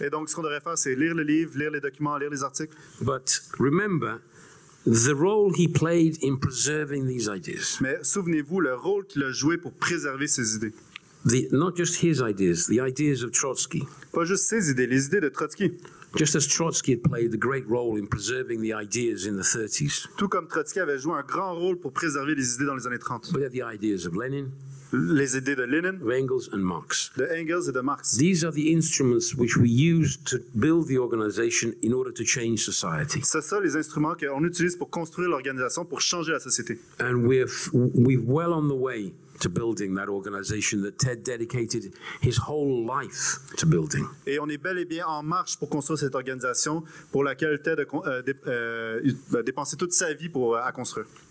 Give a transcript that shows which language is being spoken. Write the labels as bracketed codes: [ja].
[fr] Et donc ce qu'on devrait faire, c'est lire le livre, lire les documents, lire les articles. [en] But remember the role he played in preserving these ideas. [fr] Mais souvenez-vous le rôle qu'il a joué pour préserver ces idées. [en] Not just his ideas, the ideas of Trotsky. [fr] Pas juste ses idées, les idées de Trotsky. [en] Just as Trotsky had played the great role in preserving the ideas in the 30s. [fr] Tout comme Trotsky avait joué un grand rôle pour préserver les idées dans les années 30. [en] We have the ideas of Lenin. [fr] Les idées de Lenin. [en] Of Engels and Marx. [fr] De Engels et de Marx. [en] These are the instruments which we use to build the organization in order to change society. [fr] C'est ça les instruments qu'on utilise pour construire l'organisation, pour changer la société. [en] And we're well on the way to building that organization that Ted dedicated his whole life to building. [fr] Et on est bel et bien en marche pour construire cette organisation pour laquelle Ted a dépensé toute sa vie pour construire.